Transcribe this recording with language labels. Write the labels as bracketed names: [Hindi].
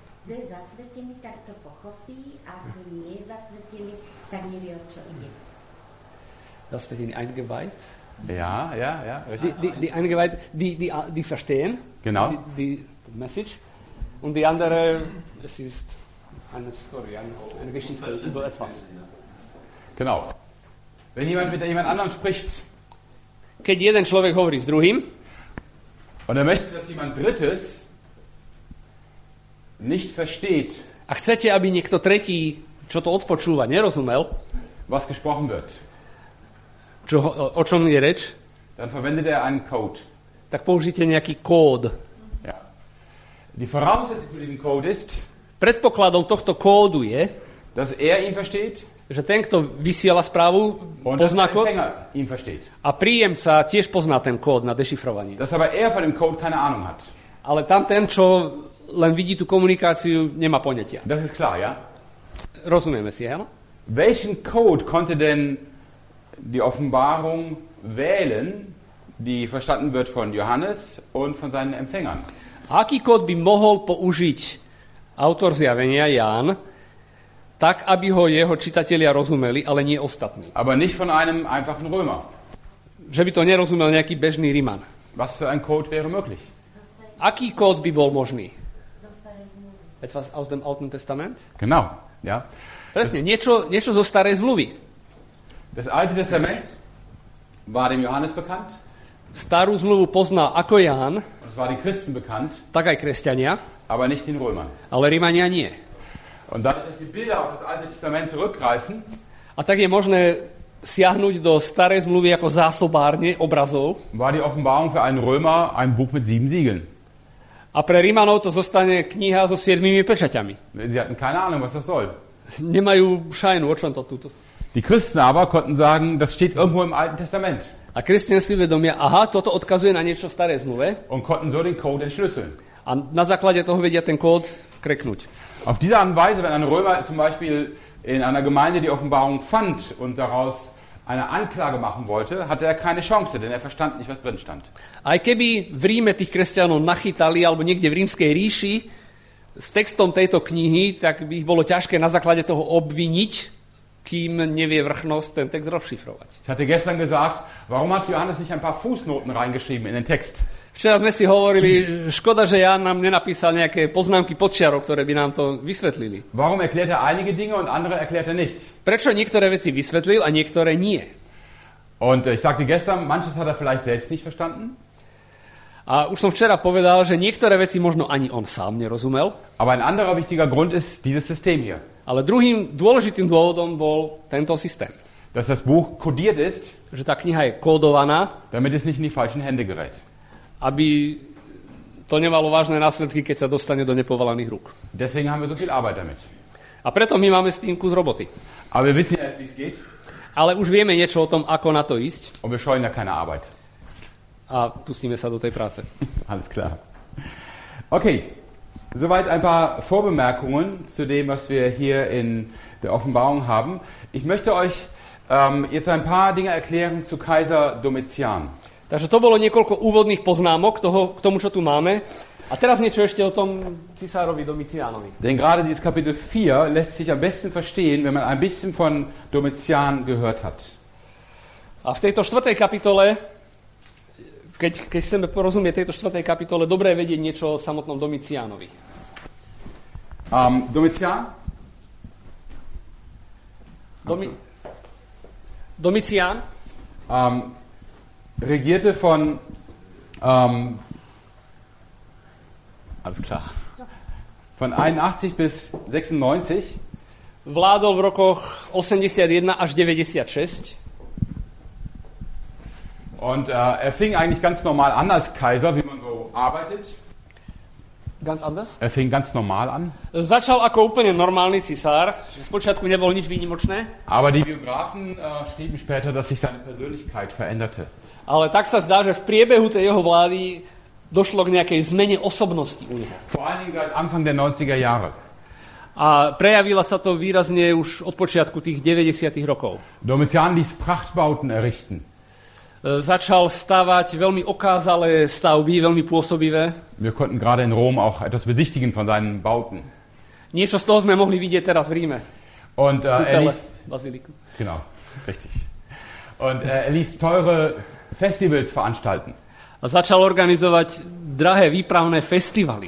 [Slovak] Kto je zasvetený, tak to pochopí, a kto nie je zasvetený, tak nevie, o čo ide. [German] Zasvetený eingeweiht? Ja, ja, ja. Die eingeweiht, die verstehen. Genau. Die Message. Und die andere, es ist eine Story, eine Geschichte über etwas. Genau. Wenn jemand mit jemand anderem spricht, [Slovak] keď jeden človek hovorí s druhým, [German] und er möchte, dass jemand drittes nicht versteht, [Slovak] a chcete, aby niekto tretí, čo to odpočúva, nerozumel, [German] was gesprochen wird, [Slovak] čo, o čom je reč, [German] dann verwendet er einen Code. [Slovak] Tak použite nejaký kód. [German] Ja. Die Voraussetzung für diesen Code ist, [Slovak] predpokladom tohto kódu je, [German] dass er ihn versteht, [Slovak] že ten, kto vysiela správu, [German] und [Slovak] pozná kód [German] ihn versteht. [Slovak] A príjemca tiež pozná ten kód na dešifrovanie. [German] Das aber er von dem Code keine Ahnung hat. [Slovak] Ale tam ten, čo len vidí tú komunikáciu, nemá poňatia. [German] Das ist klar, ja? [Slovak] Rozumieme si, hej? [German] Welchen Code konnte denn die Offenbarung wählen, die verstanden wird von Johannes und von seinen Empfängern? [Slovak] Aký kód by mohol použiť autor zjavenia Ján, tak, aby ho jeho čitatelia rozumeli, ale nie ostatní. [German] Aber nicht von einem einfachen Römer. [Slovak] Že by to nerozumel nejaký bežný Riman. [German] Was für ein Code wäre möglich? [Slovak] Aký kód by bol možný? [German] Etwas aus dem Alten Testament? Genau, ja. [Slovak] Presne, niečo zo starej zmluvy. [German] Das Alte Testament war dem Johannes bekannt. [Slovak] Starú zmluvu pozná ako Ján. [German] Das war den Christen bekannt. [Slovak] Tak aj kresťania. [German] Aber nicht den Römern. [Slovak] Ale Rimania nie. [German] Und dadurch, dass die Bilder auf das Alte Testament zurückgreifen, [Slovak] a tak je možné siahnuť do starej zmluvy ako zásobárne obrazov, [German] war die Offenbarung für einen Römer ein Buch mit sieben Siegeln. [Slovak] A pre Rímanov to zostane kniha so siedmimi pečaťami. [German] Sie hatten keine Ahnung, was das soll. [Slovak] Nemajú šajnu, o čom to tuto. [German] Die Christen aber konnten sagen, das steht irgendwo im Alten Testament. [Slovak] A kresťania si uvedomia, aha, toto odkazuje na niečo v starej zmluve. [German] Und konnten so den Code entschlüsseln. [Slovak] A na základe toho vedia ten kód kreknúť. [German] Auf diese Art und Weise, wenn ein Römer zum Beispiel in einer Gemeinde die Offenbarung fand und daraus eine Anklage machen wollte, hatte er keine Chance, denn er verstand nicht, was drin stand. [Slovak] Aj keby v Ríme tých kresťanov nachytali, alebo niekde v rímskej ríši, s textom tejto knihy, tak by ich bolo ťažké na základe toho obviniť, kým nevie vrchnosť ten text rozšifrovať. [German] Ich hatte gestern gesagt, warum hat Johannes nicht ein paar Fußnoten reingeschrieben in den Text? [Slovak] Včera sme si hovorili, škoda, že Ján nám nenapísal nejaké poznámky pod čiarou, ktoré by nám to vysvetlili. [German] Warum erklärt er einige Dinge und andere erklärt er nicht? [Slovak] Prečo niektoré veci vysvetlil a niektoré nie? [German] Und ich sagte gestern, manches hat er vielleicht selbst nicht verstanden. [Slovak] A už som včera povedal, že niektoré veci možno ani on sám nerozumel. [German] Aber ein anderer wichtiger Grund ist dieses System hier. [Slovak] Ale druhým dôležitým dôvodom bol tento systém. [German] Dass das Buch kodiert ist, [Slovak] že tá kniha je kódovaná, [German] damit es nicht in die falschen Hände gerät. [Slovak] Aby to nemalo vážne následky, keď sa dostane do nepovolaných rúk. [German] Deswegen haben wir so viel Arbeit damit. [Slovak] A preto my máme s tým kus roboty. [German] Aber wir wissen jetzt, wie es geht. [Slovak] Ale už vieme niečo o tom, ako na to ísť. [German] Und wir scheuen ja keine Arbeit. [Slovak] A pustíme sa do tej práce. [German] Alles klar. Okay. Soweit ein paar Vorbemerkungen zu dem, was wir hier in der Offenbarung haben. Ich möchte euch jetzt ein paar Dinge erklären zu Kaiser Domitian. [Slovak] Takže to bolo niekoľko úvodných poznámok toho, k tomu, čo tu máme. A teraz niečo ešte o tom cisárovi Domitianovi. [German] Denn gerade dieses Kapitel 4 lässt sich am besten verstehen, wenn man ein bisschen von Domitian gehört hat. [Slovak] A v tejto štvrtej kapitole, keď chceme porozumieť tejto štvrtej kapitole, dobre je vedieť niečo o samotnom Domitianovi. [German] Domitian? Domitian? Regierte von alles klar. Von 81 bis 96. [Slovak] Vládol v rokoch 81 až 96. [German] Und er fing eigentlich ganz normal an als Kaiser, wie man so arbeitet. Ganz anders? Er fing ganz normal an. [Slovak] Začal ako úplne normálny cisár, že spočiatku nebol nič výnimočné. [German] Aber die Biografen schrieben später, dass sich seine Persönlichkeit veränderte. [Slovak] Ale tak sa zdá, že v priebehu tej jeho vlády došlo k nejakej zmene osobnosti u neho. [German] Vor allen Dingen seit Anfang der 90er Jahre. [Slovak] A prejavila sa to výrazne už od počiatku tých 90. rokov. [German] Domitian ließ Prachtbauten errichten. [Slovak] Začal stavať veľmi okázalé stavby, veľmi pôsobivé. [German] Wir konnten gerade in Rom auch etwas besichtigen von seinen Bauten. [Slovak] Niečo z toho sme mohli vidieť teraz v Ríme. [German] Und er ließ Basiliku. Genau, richtig. Und er ließ teure Festivals veranstalten. [Slovak] A začal organizovať drahé výpravné festivaly.